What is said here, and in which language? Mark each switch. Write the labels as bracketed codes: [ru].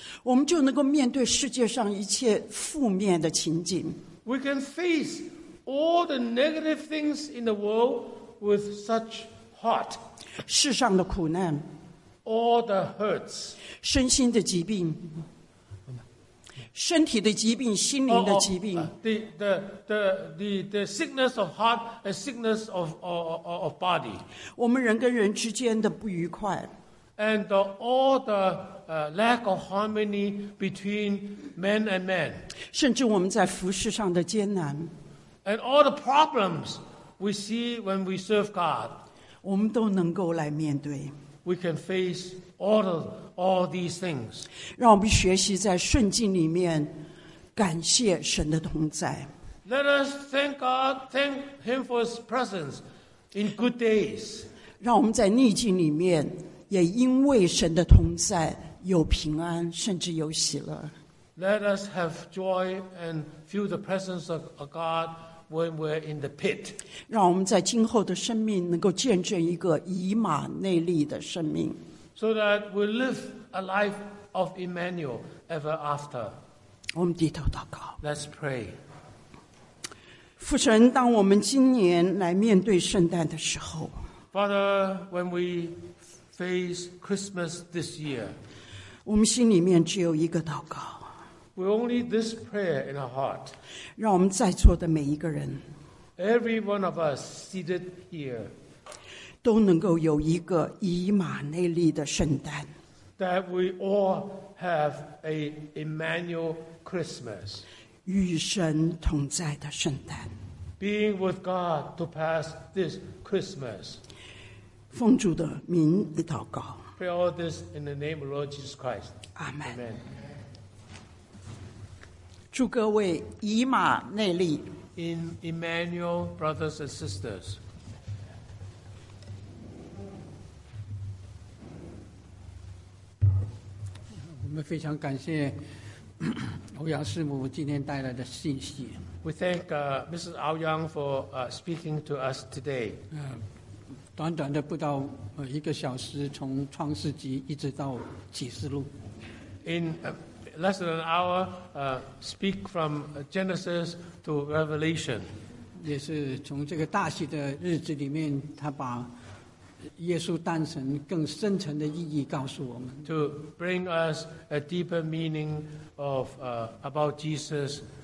[zh] 我们就能够面对世界上一切负面的情景。 [en] We can face. All the negative things in the world with such heart. [zh] 世上的苦难 [en] All the hurts. [zh] 身心的疾病身体的疾病心灵的疾病 [en] The sickness of heart and sickness of body. [zh] 我们人跟人之间的不愉快 [en] And all the lack of harmony between men and men. [zh] 甚至我们在服事上的艰难 [en] And all the problems we see when we serve God, [zh] 我们都能够来面对 [en] we can face all these things. [zh] 让我们学习在顺境里面感谢神的同在 [en] Let us thank God, thank Him for His presence in good days. [zh] 让我们在逆境里面也因为神的同在有平安，甚至有喜乐。 [en] Let us have joy and feel the presence of God when we're in the pit. [zh] 让我们在今后的生命能够见证一个以马内利的生命。 [en] So that we live a life of Immanuel ever after. [zh] 我们低头祷告。 [en] Let's pray. [zh] 父神，当我们今年来面对圣诞的时候 [en] ，Father, when we face Christmas this year, [zh] 我们心里面只有一个祷告。 [en] We only need this prayer in our heart. [zh] 让我们在座的每一个人 [en] Every one of us seated here [zh] 都能够有一个以马内利的圣诞 [en] That we all have a Immanuel Christmas [zh] 与神同在的圣诞 [en] Being with God to pass this Christmas [zh] 奉主的名的祷告 [en] Pray all this in the name of Lord Jesus Christ. Amen, Amen. [zh] 祝各位以马内利 [en] In Immanuel, brothers and sisters. [zh] 我们非常感谢欧阳师母今天带来的信息。 [en] We thank Mrs. Ao Yang for speaking to us today. [zh] 短短的不到一个小时，从创世纪一直到启示录。 [en] In less than an hour speak from Genesis to Revelation [zh] 也是从这个大喜的日子里面他把耶稣诞辰更深层的意义告诉我们。 [en] To bring us a deeper meaning of about Jesus.